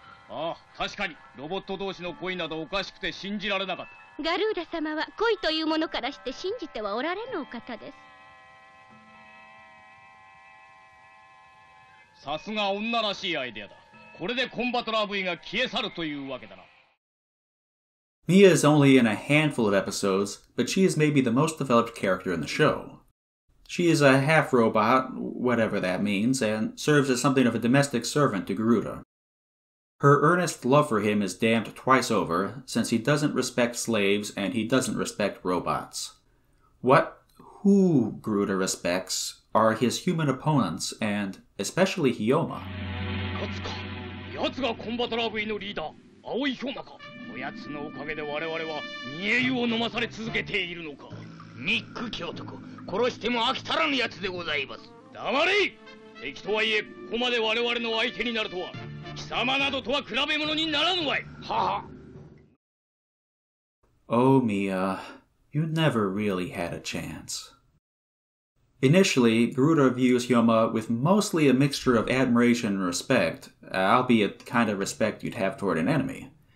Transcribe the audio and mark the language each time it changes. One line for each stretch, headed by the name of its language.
Japanese: ああ、確かにロボット同士の恋などおかしくて信じられなかった。ガルーダ様は恋というものからして信じてはおられぬお方です。さすが女らしいアイデアだ。これでコンバトラー V が消え去るというわけだな。
English: Mia is only in a handful of episodes, but she is maybe the most developed character in the show. She is a half-robot, whatever that means, and serves as something of a domestic servant to Gruda. Her earnest love for him is damned twice over, since he doesn't respect slaves and he doesn't respect robots. Who Gruda respects are his human opponents, and especially Hyoma.
Japanese: Yatsuka! Yatsuka Combattler V の leader, Aoi Hyoma ka? やつのおかげで我々は煮え湯を飲まされ続けているのか。ニック教徒、殺しても飽き足らぬやつでございます。黙れ。敵とはいえここまで我々の相手になるとは、貴様などとは比べ物にならぬわい。はは。
English: Oh, Mia, you never really had a chance. Initially, Garuda views Yuma with mostly a mixture of admiration and respect, albeit the kind of respect you'd have toward an enemy.